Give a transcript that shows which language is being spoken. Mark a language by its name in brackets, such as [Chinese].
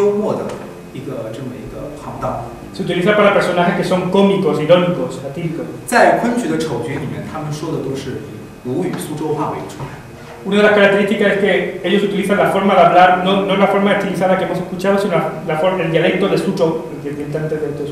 [Chinese] 丑角在昆曲里面起到了一个很诙谐幽默的一个这么一个行当。 [Spanish] Se utiliza para personajes que son cómicos, irónicos, satíricos. [Chinese] 在昆曲的丑角里面，他们说的都是以吴语苏州话为主。 [Spanish] Una de las características es que ellos utilizan la forma de hablar, no, no la forma estilizada que hemos escuchado, sino la forma, el dialecto de Suzhou, el cantante de